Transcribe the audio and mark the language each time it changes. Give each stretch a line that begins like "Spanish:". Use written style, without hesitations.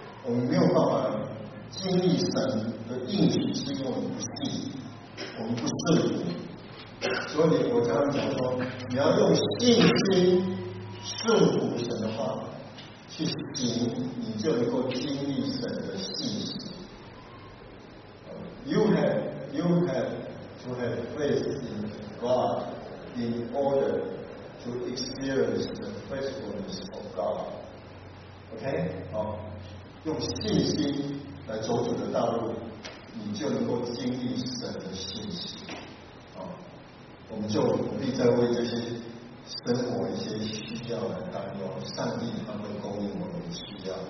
Chinese: 我们没有办法经历神的应许，是因为我们不信，我们不顺服。所以我刚刚讲说，你要用信心顺服神的话去行，你就能够经历神的信实。
English: You have to have faith in God in order to experience the faithfulness of God. Okay?
Chinese: 好，用信心来走主的道路，你就能够经历神的信实。好，我们就努力在为这些生活一些需要来担忧，上帝他会供应我们的需要。